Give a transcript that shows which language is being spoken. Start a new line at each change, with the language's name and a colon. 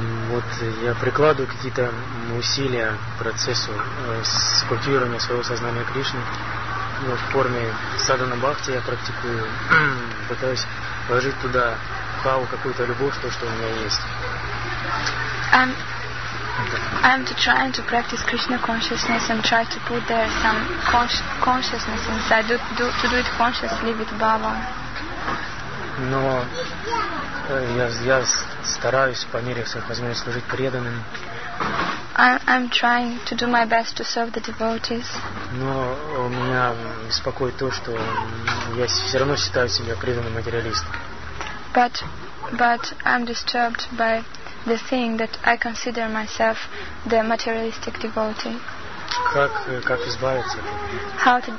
Russian: Вот я прикладываю какие-то усилия к процессу скульптирования своего сознания Кришны. Вот в форме садхана бхакти я практикую, пытаюсь вложить туда бхаву, какую-то любовь, то, что у меня есть.
English: I'm trying to practice Krishna consciousness and try to put there some consciousness inside. To do it consciously with bhava.
Russian: Но я стараюсь по мере своих возможностей служить преданным.
English: I'm trying to do my best to serve the devotees.
Russian: Но меня беспокоит то, что я все равно считаю себя преданным материалистом.
English: But I'm disturbed by the thing that I consider myself the materialistic devotee.
Russian: Как избавиться от этого?